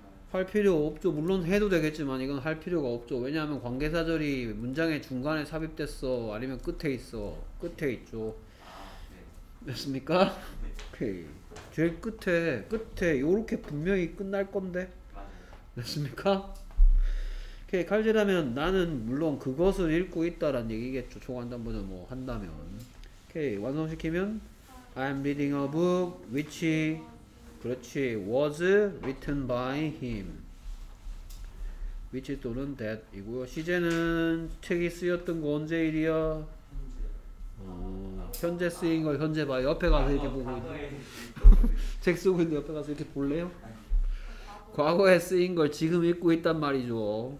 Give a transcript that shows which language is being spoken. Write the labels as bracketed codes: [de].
[ko] 할 필요 없죠. 물론 해도 되겠지만 이건 할 필요가 없죠. 왜냐하면 관계사절이 문장의 중간에 삽입됐어 아니면 끝에 있어. 끝에 있죠. 됐습니까? 오케이. 제일 끝에 요렇게 분명히 끝날 건데. 됐습니까? 오케이. 칼질하면 나는 물론 그것을 읽고 있다란 얘기겠죠. 초간단 버전 뭐 한다면. 오케이. 완성시키면 [en] I'm reading a book which [ko] 그렇지 [en] was written by him. [ko] which 또는 that 이고요. 시제는 책이 쓰였던 거 언제 일이야? 현재 쓰인 걸 현재 봐. 옆에 가서 이렇게 보고 있는. 책 쓰고 있는데 옆에 가서 이렇게 볼래요? 과거에 쓰인 걸 지금 읽고 있단 말이죠.